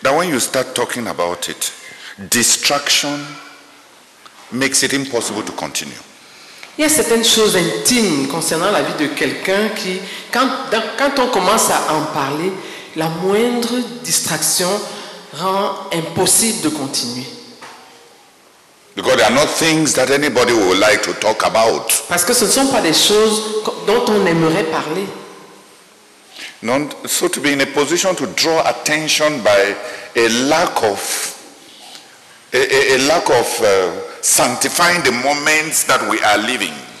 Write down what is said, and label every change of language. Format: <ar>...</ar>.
<en>Now, when you start talking about it, distraction makes it impossible to continue.</en> <fr>Il y a certaines choses intimes concernant la vie de quelqu'un qui, quand on commence à en parler, la moindre distraction rend impossible de continuer.</fr> <en>Because there are not things that anybody would like to talk about.</en> <fr>Parce que ce ne sont pas des choses dont on aimerait parler.</fr> <en>Non, so to be in a position to draw attention by a lack of sanctifying the moments that we are living.</en>